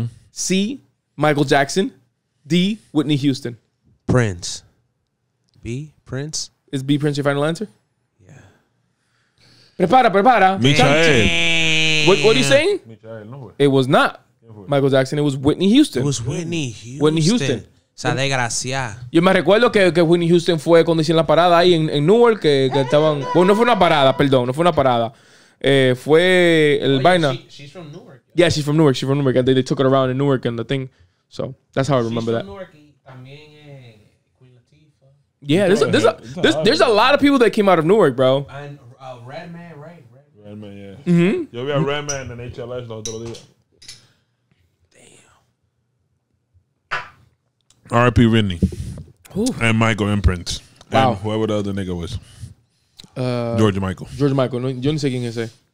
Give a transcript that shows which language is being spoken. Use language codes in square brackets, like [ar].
[en] C, Michael Jackson. D, Whitney Houston. Prince. B, Prince. Is B, Prince your final answer? Yeah. [es] Prepara. [en] Michael. What are you saying? Michael, no. It was not Michael Jackson. It was Whitney Houston. It was Whitney Houston. [es] O sea, desgraciado. Yo me recuerdo que Whitney Houston fue cuando hicieron la parada ahí en Newark, que estaban... Bueno, no fue una parada, perdón. No fue una parada. Fue el vaina. [en] She's from Newark. Yo. Yeah, she's from Newark. She's from Newark. And they took it around in Newark and the thing. So, that's how I remember that. She's from Newark [es] y también [en] Queen Latifah. Yeah, there's a lot of people that came out of Newark, bro. And Redman, right? Redman, yeah. Mm-hmm. [es] Yo vi a Redman en HLS los otros días. [en] R.P. Whitney. Ooh. And Michael Imprint. Wow. And whoever the other nigga was. George Michael. [es] George Michael. No, yo ni sé quién es ese.